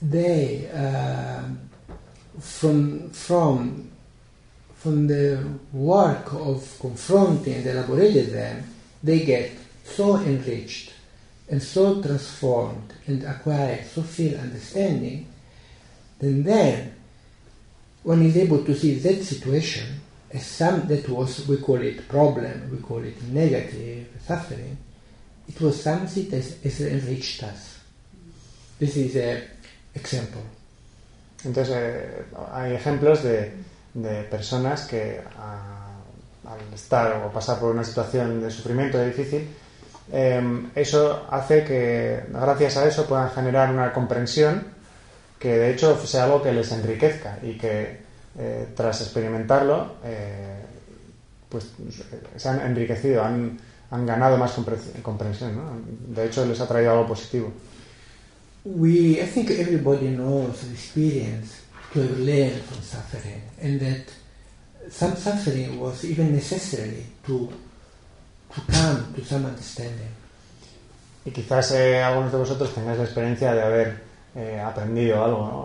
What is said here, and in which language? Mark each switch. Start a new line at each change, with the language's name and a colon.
English: from the work of confronting and elaborating them, they get so enriched and so transformed and acquire so full understanding, then one is able to see that situation as some that was, we call it problem, we call it negative suffering, it was something that has enriched us. This is a example.
Spanish: Entonces hay ejemplos de personas que al estar o pasar por una situación de sufrimiento difícil, eso hace que gracias a eso puedan generar una comprensión que de hecho sea algo que les enriquezca y que tras experimentarlo pues se han enriquecido, han ganado más comprensión, ¿no? De hecho les ha traído algo positivo.
English: I think everybody knows the experience to have learned from suffering, and that some suffering was even necessary to come to some understanding.
Spanish: Y quizás algunos de vosotros tengáis la experiencia de haber aprendido algo, ¿no?